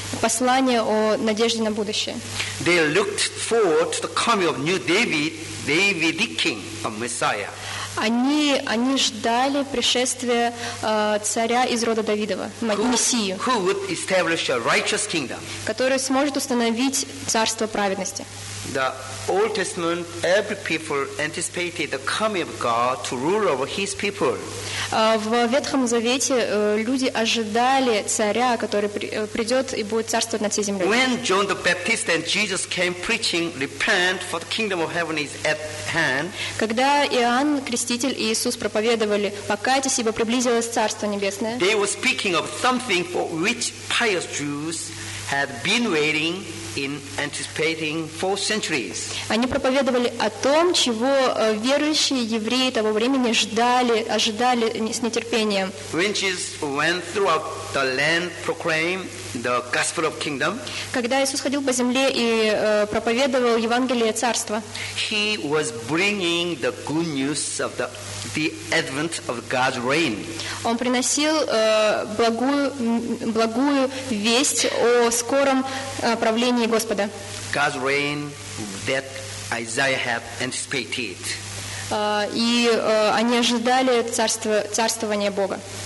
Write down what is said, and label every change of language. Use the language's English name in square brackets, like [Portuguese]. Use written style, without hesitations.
[Russian] Послание о надежде на будущее. [English] They looked forward to the coming of new David, Davidic king, a Messiah. [Russian] Они ждали пришествия царя из рода Давидова, Мессию, [English] who would establish a righteous kingdom. [Russian] Который сможет установить царство праведности. [English] The Old Testament, every people anticipated the coming of God to rule over His people. [Russian] В Ветхом Завете люди ожидали царя, который придет и будет царствовать над всей землей. [English] When John the Baptist and Jesus came preaching, repent, for the kingdom of heaven is at hand. [Russian] Когда Иоанн Креститель и Иисус проповедовали, покайтесь, ибо приблизилось царство небесное. [English] They were speaking of something for which pious Jews had been waiting. In anticipating four centuries. [Russian] Они проповедовали о том, чего верующие евреи того времени ждали, ожидали с нетерпением. [English] When Jesus went throughout the land proclaimed the gospel of kingdom. [Russian] Когда Иисус ходил по земле и проповедовал Евангелие царства. [English] He was bringing the good news of the advent of God's reign. [Russian] Он приносил благую весть о скором правлении Господа. [English] God's reign that Isaiah had anticipated. [Russian] Они ожидали царствования Бога.